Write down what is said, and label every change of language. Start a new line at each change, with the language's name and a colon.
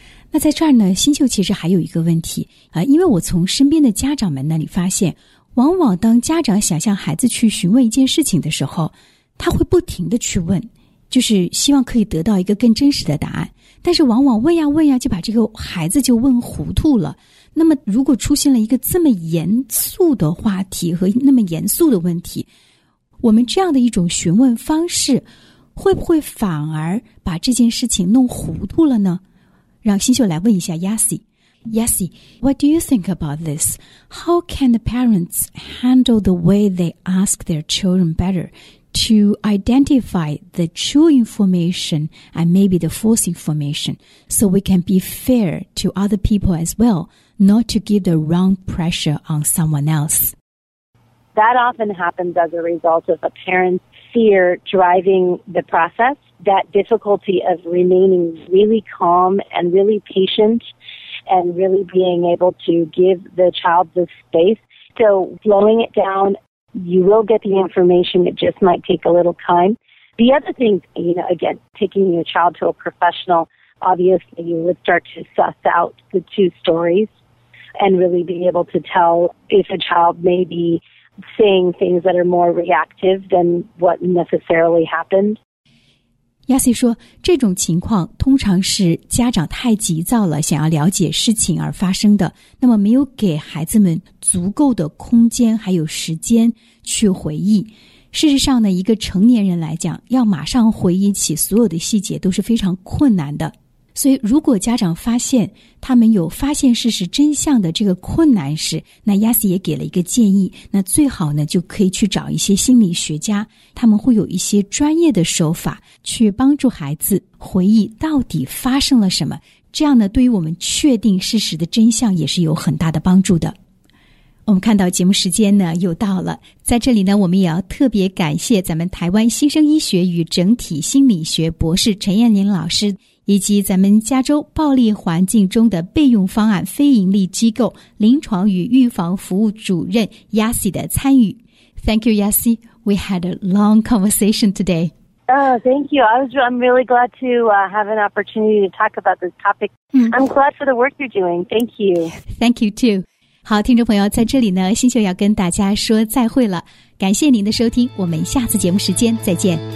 Chinese: 那在这儿呢，星秀其实还有一个问题因为我从身边的家长们那里发现，往往当家长想向孩子去询问一件事情的时候，他会不停地去问，就是希望可以得到一个更真实的答案，但是往往问呀问呀就把这个孩子就问糊涂了。那么如果出现了一个这么严肃的话题和那么严肃的问题，我们这样的一种询问方式会不会反而把这件事情弄糊涂了呢？让星秀来问一下 Yasi,
English: what do you think about this? How can the parents handle the way they ask their children better to identify the true information and maybe the false information so we can be fair to other people as well, not to give the wrong pressure on someone else? That often happens as a result of a parent's fear driving the process. That difficulty of remaining really calm and really patient and really being able to give the child the space. So slowing it down, you will get the information. It just might take a little time. The other thing, you know, again, taking your child to a professional, obviously you would start to suss out the two stories and really be able to tell if a child may be saying things that are more reactive than what necessarily happened.
Chinese: 亚西说，这种情况通常是家长太急躁了，想要了解事情而发生的，那么没有给孩子们足够的空间还有时间去回忆。事实上呢，一个成年人来讲，要马上回忆起所有的细节都是非常困难的。所以如果家长发现他们有发现事实真相的这个困难时，那亚西也给了一个建议，那最好呢就可以去找一些心理学家，他们会有一些专业的手法去帮助孩子回忆到底发生了什么，这样呢对于我们确定事实的真相也是有很大的帮助的。我们看到节目时间呢又到了，在这里呢我们也要特别感谢咱们台湾新生医学与整体心理学博士陈彦霖老师，以及咱们加州暴力环境中的备用方案非盈利机构临床与预防服务主任 Yasi 的参与。
English: Thank you, Yasi. We had a long conversation today. Thank you. I'm really glad to have an opportunity to talk about this topic. I'm glad for the work you're doing. Thank you. Thank you too.
Chinese: 好，听众朋友，在这里呢，星秀要跟大家说再会了。感谢您的收听，我们下次节目时间再见。